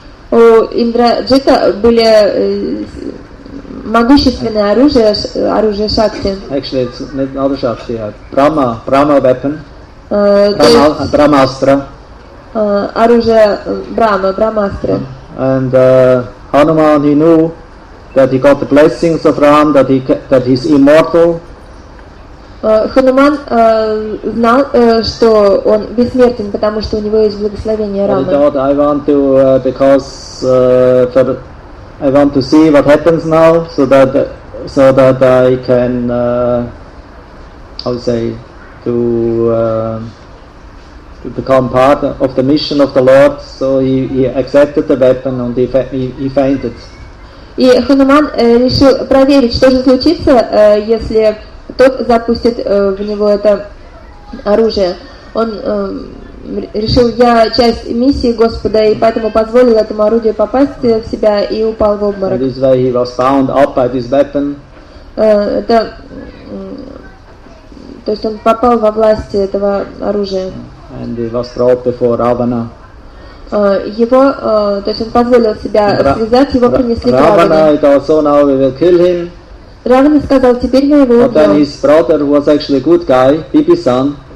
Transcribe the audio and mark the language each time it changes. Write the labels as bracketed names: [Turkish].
[Russian] У Индраджита были могущественное оружие, оружие Шакти. [English] Actually, it's not a Shakti, a Brahma weapon. [Russian] Брамастра. Оружие Брама, Брамастра. [English] And Hanuman, he knew that he got the blessings of Ram, that he's immortal. [Russian] Хануман знал, что он бессмертен, потому что у него есть благословение Рамы. [English] He thought, I want to see what happens now, so that I can, to become part of the mission of the Lord. So he accepted the weapon and he fainted. [Russian] И Хануман решил проверить, что же случится, если тот запустит в него это оружие. Он решил, я часть миссии Господа, и поэтому позволил этому орудию попасть в себя и упал в обморок. [English] This way he was bound up by this weapon. [Russian] То есть он попал во власть этого оружия. [English] And he was brought before Ravana. [Russian] То есть он позволил себя связать, его принесли к [English] Равана. Ravana, it also now we will kill him. [Russian] Равана сказал, теперь мы его убьем. [English] But then his brother was actually a good guy, Bibi-san.